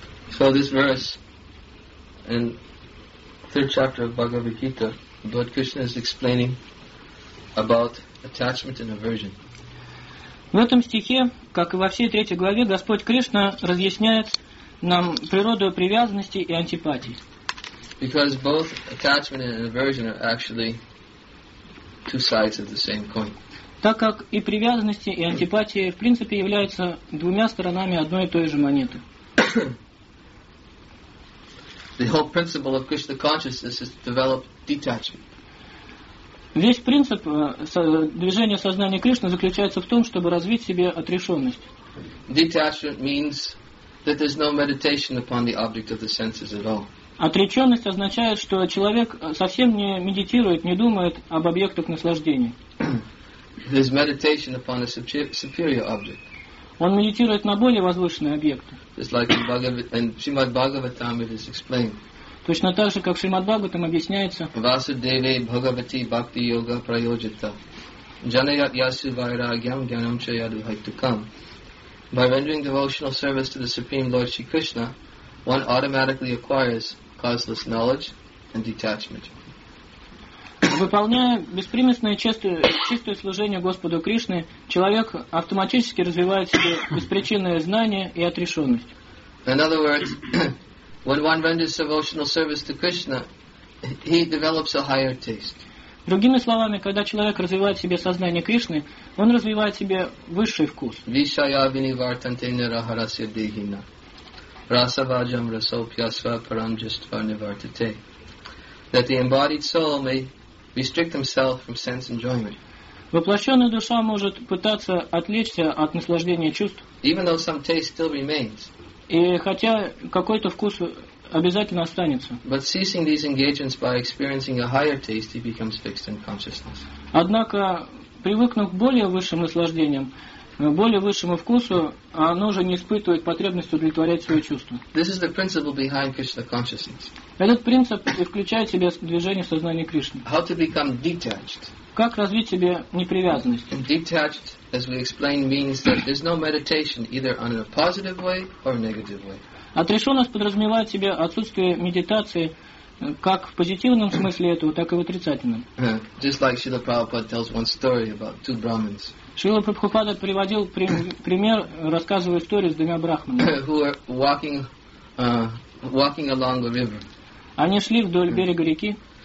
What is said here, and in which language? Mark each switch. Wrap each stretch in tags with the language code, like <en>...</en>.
<en>So this verse in third chapter of Bhagavad Gita, Lord Krishna is explaining about attachment and aversion.</en> <ru>В этом стихе, как и во всей третьей главе, Господь Кришна разъясняет нам природу привязанности и антипатии.</ru> <en>Because both attachment and aversion are actually two sides of the same coin.</en> <ru>Так как и привязанности, и антипатии, в принципе, являются двумя сторонами одной и той же монеты.</ru> <en>The whole principle of Krishna consciousness is to develop detachment.</en> <ru>Весь принцип движения сознания Кришны заключается в том, чтобы развить в себе отрешенность.</ru> <en>Detachment means that there's no meditation upon the object of the senses at all.</en> <ru>Отреченность означает, что человек совсем не медитирует, не думает об объектах наслаждения.</ru> <en>There's meditation upon a superior object.</en> <ru>Он медитирует на более возвышенные объекты.</ru> <en>Just like in Srimad Bhagavatam it is explained.</en> <ru>Точно так же, как в Шримад Бхагаватам объясняется.</ru> <sa>Vasudeve Bhagavati Bhakti Yoga Prayojita. Janayat Yasu Vairagyam Gyanam Chayadu Haitukam.</sa> <en>By rendering devotional service to the Supreme Lord Shri Krishna, one automatically acquires causeless knowledge and detachment.</en> <ru>Выполняя беспримесное чистое служение Господу Кришне, человек автоматически развивает в себе беспричинное знание и отрешенность.</ru> <en>In other words, when one renders devotional service to Krishna, he develops a higher taste.</en> <ru>Другими словами, когда человек развивает в себе сознание Кришны, он развивает в себе высший вкус.</ru> <sa>Вишая винивартанте нирахарасья дейхина. Расаваджам расаупьясва парамджаства нивартате.</sa> <en>That the embodied soul may restrict himself from sense enjoyment.</en> <ru>Воплощенная душа может пытаться отвлечься от наслаждения чувств.</ru> <en>Even though some taste still remains.</en> <ru>И хотя какой-то вкус обязательно останется.</ru> <en>But ceasing these engagements by experiencing a higher taste, he becomes fixed in consciousness.</en> <ru>Однако, привыкнув к более высшим наслаждениям, более высшему вкусу, оно уже не испытывает потребность удовлетворять свои чувства.</ru> <en>This is the principle behind Krishna consciousness.</en> <ru>Этот принцип и включает в себя движение сознания Кришны.</ru> <en>How to become detached?</en> <ru>Как развить в себе непривязанность?</ru> <en>Detached, as we explained, means that there's no meditation either on a positive way or a negative way.</en> <ru>Отрешенность подразумевает в себе отсутствие медитации как в позитивном смысле этого, так и в отрицательном.</ru> <en>Just like Srila Prabhupada tells one story about two Brahmins.</en> <ru>Шрила Прабхупада приводил пример, рассказывая историю с двумя брахманами. Они шли вдоль берега реки.</ru>